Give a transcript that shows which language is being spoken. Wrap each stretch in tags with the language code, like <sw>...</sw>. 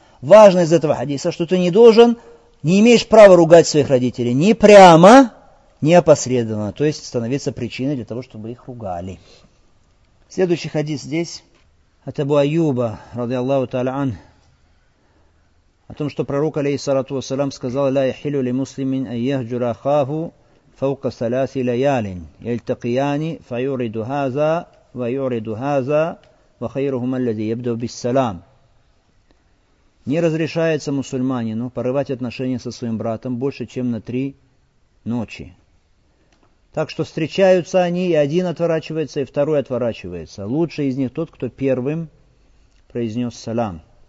<ru>Важно из этого хадиса, что ты не должен, не имеешь права ругать своих родителей ни прямо, ни опосредованно. То есть становиться причиной для того, чтобы их ругали. Следующий хадис здесь. От Абу Аюба, ради Аллаху та'аля ан. О том, что пророк, алейхиссалату вассалям, сказал,</ru> <ar>«Ля яхилю ли муслимин айяхджура хаву». فوق ثلاث ليال يلتقيان فيورد هذا ويورد هذا وخيرهما الذي يبدو بالسلام.</ar> <ru>Не разрешается мусульманину порывать отношения со своим братом больше, чем на три ночи. Так что встречаются они, и один отворачивается, и второй отворачивается. Лучше из них тот, кто первым произнес салам.</ru>